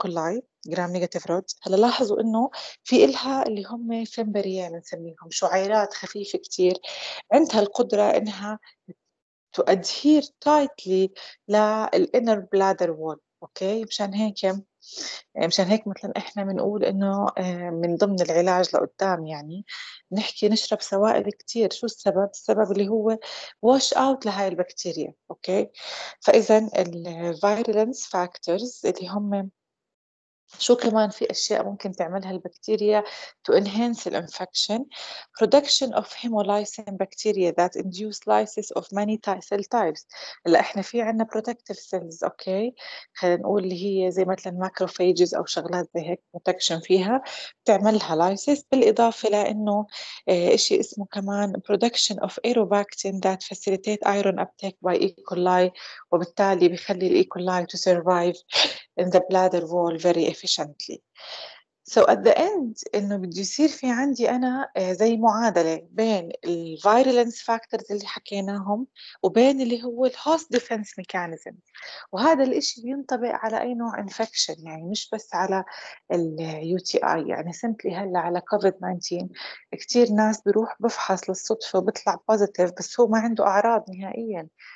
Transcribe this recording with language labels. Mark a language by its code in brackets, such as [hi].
[ar] coli جرام نيجاتيف رود، هلا لاحظوا إنه في إلها اللي هم فيمبريان نسميهم شعيرات خفيفة كتير عندها القدرة إنها [en] to adhere tightly [ar] لل [en] inner bladder wall. [ar] اوكي مشان هيك مثلا احنا بنقول انه من ضمن العلاج لقدام يعني نحكي نشرب سوائل كتير. شو السبب؟ السبب اللي هو wash out لهاي البكتيريا. [en] okay فاذا virulence factors [ar] اللي هم شو كمان في أشياء ممكن تعملها البكتيريا [en] to enhance the infection production of hemolysin bacteria that induce lysis of many cell types. [ar] هلا إحنا في عنا protective cells. أوكي خلينا نقول اللي هي زي مثلاً macrophages أو شغلات زي هيك protection فيها بتعملها lysis، بالإضافة لأنه إشي اسمه كمان [en] production of aerobactin that facilitate iron uptake by E. [ar] coli وبالتالي بيخلي E. [en] coli to survive in the bladder wall very efficiently. So at the end [ar] إنه بدي يصير في عندي أنا زي معادلة بين ال virulence factors اللي حكيناهم وبين اللي هو ال host defense mechanism، وهذا الإشي بينطبق على أي نوع infection يعني مش بس على ال UTI، يعني simply هلا على COVID-19 كتير ناس بروح بفحص للصدفة وبطلع positive بس هو ما عنده أعراض نهائياً.